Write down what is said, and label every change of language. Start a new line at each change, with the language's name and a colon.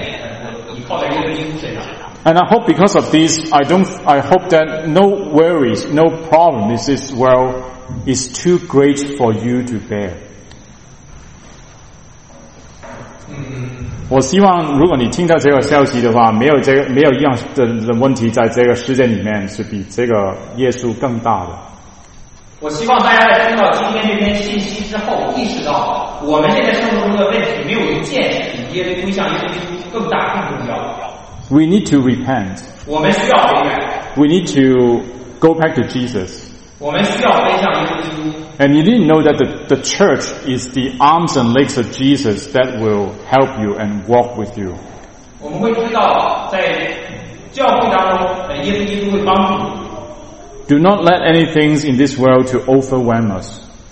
English: And I hope because of this, I hope that no worries, no problem in this world is too great for you to bear.
Chinese: 我希望如果你听到这个消息的话，没有这个没有一样的问题在这个事件里面是比这个耶稣更大的。我希望大家在听到今天这篇信息之后，意识到我们现在生活中的问题没有一件比耶稣归向耶稣更大更重要。
English: We need to repent.
Chinese: 我们需要悔改。
English: We need to go back to Jesus.
Chinese: 我们需要归向耶稣基督。
English: And you need to know that the church is the arms and legs of Jesus that will help you and walk with you. Do not let anything in this world to overwhelm us.